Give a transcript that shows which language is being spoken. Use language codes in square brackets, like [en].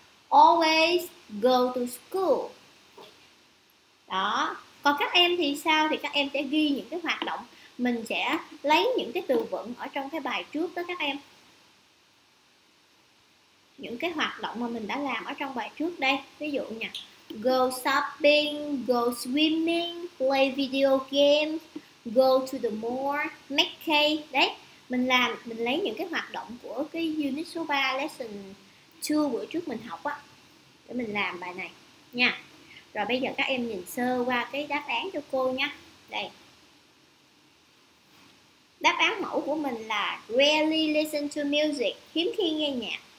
[en] Always go to school. Đó. [vi] Còn các em thì sao? Thì các em sẽ ghi những cái hoạt động. Mình sẽ lấy những cái từ vựng ở trong cái bài trước đó các em. Những cái hoạt động mà mình đã làm ở trong bài trước đây. Ví dụ nha. [en] Go shopping, go swimming, play video game, go to the mall, make cake. [vi] Đấy, mình làm, mình lấy những cái hoạt động của cái unit số 3, lesson 2 bữa trước mình học á. Để mình làm bài này nha. Rồi bây giờ các em nhìn sơ qua cái đáp án cho cô nha. Đây. Đáp án mẫu của mình là [en] rarely listen to music, [vi] hiếm khi nghe nhạc.